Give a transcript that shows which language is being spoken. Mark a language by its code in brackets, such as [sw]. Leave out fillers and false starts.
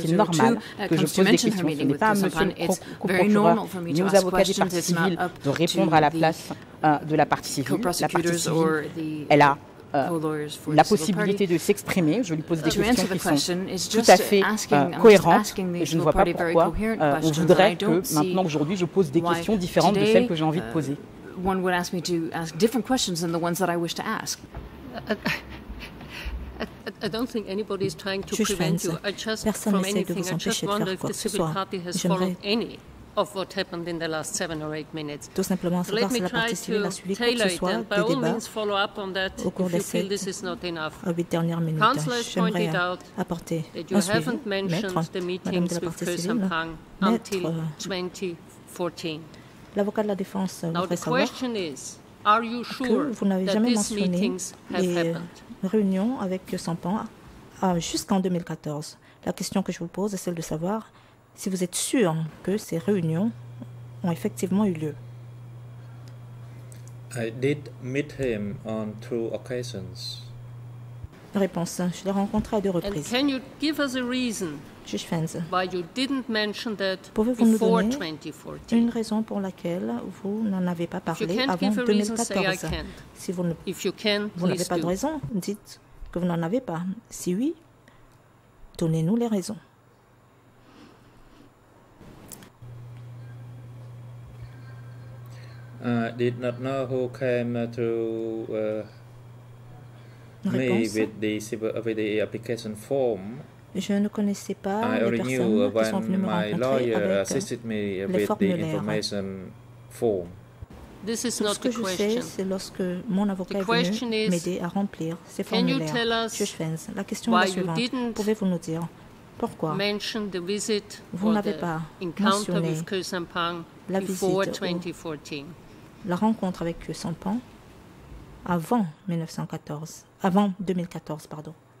[fr] C'est normal que je pose des questions. Ce n'est pas à M. le procureur ni aux avocats des parties civiles de répondre à la place de la partie civile. La partie civile, elle a la possibilité de s'exprimer. Je lui pose des questions qui sont tout à fait cohérentes. Je ne vois pas pourquoi on voudrait que, maintenant, aujourd'hui, je pose des questions différentes de celles que j'ai envie de poser. [en] One would ask me to ask different questions than the ones that I wish to ask. I don't think anybody is trying to prevent you. I just from anything. I just wonder if the civil party has followed any of what happened in the last 7 or 8 minutes. [fr] Tout simplement, [en] so let me try to tailor it and by all means follow up on that if you feel this is not enough. Counselor has pointed out that you haven't mentioned the meetings with Khoe Samphan until 2014. [fr] L'avocat de la défense voudrait savoir est-ce que vous n'avez jamais mentionné les réunions avec Kyosampan jusqu'en 2014. La question que je vous pose est celle de savoir si vous êtes sûr que ces réunions ont effectivement eu lieu. [en] I did meet him on two occasions. [fr] Réponse : je l'ai rencontré à deux reprises. [en] And can you give us a reason? Why you didn't mention that [fr] pouvez-vous nous donner une raison pour laquelle vous n'en avez pas parlé avant 2014? Si vous, vous n'avez pas de raison, dites que vous n'en avez pas. Si oui, donnez-nous les raisons. [en] I did not know who came to me with the application form. [fr] Je ne connaissais pas les personnes qui sont venues me rencontrer avec les formulaires. Tout ce que je sais, c'est lorsque mon avocat est venu m'aider à remplir ces formulaires. Monsieur Schwenz, la question est la suivante. Pouvez-vous nous dire pourquoi vous n'avez pas mentionné la visite ou la rencontre avec Khoe Samphan avant 2014, pardon?